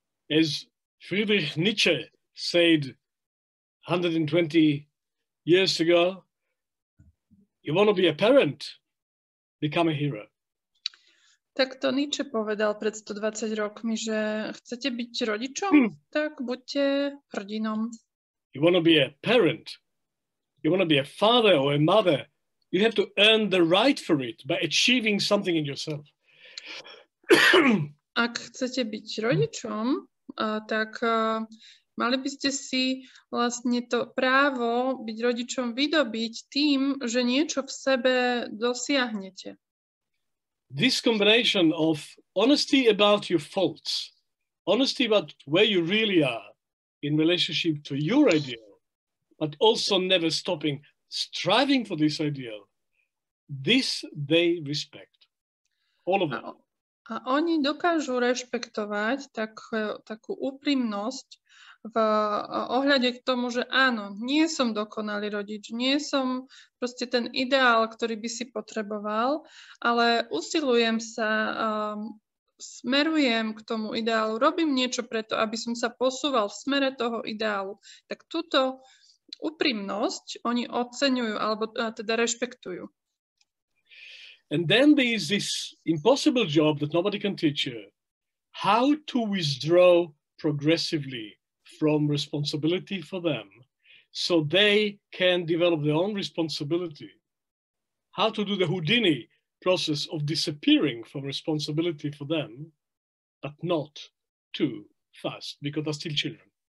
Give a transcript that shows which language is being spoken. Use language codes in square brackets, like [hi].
[en] As Friedrich Nietzsche said 120 years ago, you want to be a parent, become a hero. [sk] Tak to Nietzsche povedal pred 120 rokmi, že chcete byť rodičom, tak buďte hrdinom. [en] You want to be a parent, you want to be a father or a mother, you have to earn the right for it by achieving something in yourself. [sk] Ak chcete byť rodičom, tak mali by ste si vlastne to právo byť rodičom vydobiť tým, že niečo v sebe dosiahnete. [en] This combination of honesty about your faults, honesty about where you really are in relationship to your ideal, but also never stopping striving for this ideal, this they respect. All of them. [sk] A oni dokážu rešpektovať takú úprimnosť v ohľade k tomu, že áno, nie som dokonalý rodič, nie som proste ten ideál, ktorý by si potreboval, ale usilujem sa, smerujem k tomu ideálu, robím niečo preto, aby som sa posúval v smere toho ideálu. Tak túto úprimnosť oni oceňujú, alebo teda rešpektujú. [en] And then there is this impossible job that nobody can teach you. How to withdraw progressively from responsibility for them so they can develop their own responsibility. How to do the Houdini process of disappearing from responsibility for them, but not too fast because they're still children.